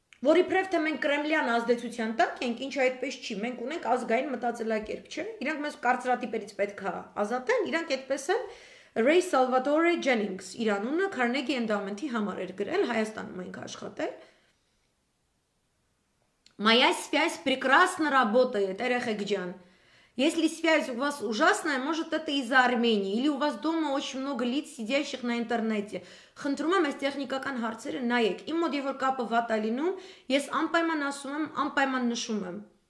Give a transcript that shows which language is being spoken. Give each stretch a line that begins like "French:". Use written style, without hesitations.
Armenian: որի պրեֆտը մենք կրեմլյան ազդեցության տակ ենք, ինչ այդպես չի, մենք ունենք ազգային մտածելակերպ, չէ՞, իրանք մեզ կարծրատիպերից պետք է ազատեն, իրանք այդպես են Ray Salvatore Jennings Իրանունը Carnegie Endowment-ի համար էր գրել, Հայաստանում ենք աշխատել։
Russian: Моя связь прекрасно работает,
Armenian: Эрехек ջան.
Russian: Если связь у вас ужасная, может это из-за Армении, или у вас дома очень много лиц, сидящих на интернете.
Armenian: Խնդրում եմ այս տեխնիկական հարցերը նայեք։ Իմ մոտ երբ որ կապը վատ է լինում, ես անպայման ասում եմ, անպայման նշում եմ։